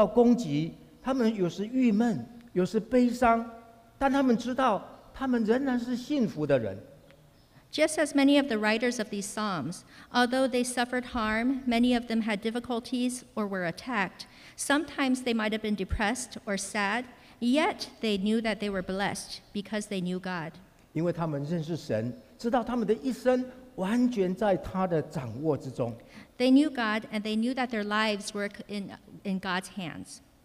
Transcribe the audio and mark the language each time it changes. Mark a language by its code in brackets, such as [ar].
[zh] 就像许多诗篇的诗人，虽然饱经患难，常有困难，常常受到攻击，他们有时郁闷。有时悲伤，但他们知道他们仍然是幸福的人。 [en] Just as many of the writers of these Psalms, although they suffered harm, many of them had difficulties or were attacked. Sometimes they might have been depressed or sad, yet they knew that they were blessed because they knew God. [zh] 因为他们认识神，知道他们的一生完全在他的掌握之中。 [en] They knew God, and they knew that their lives were in God's hands.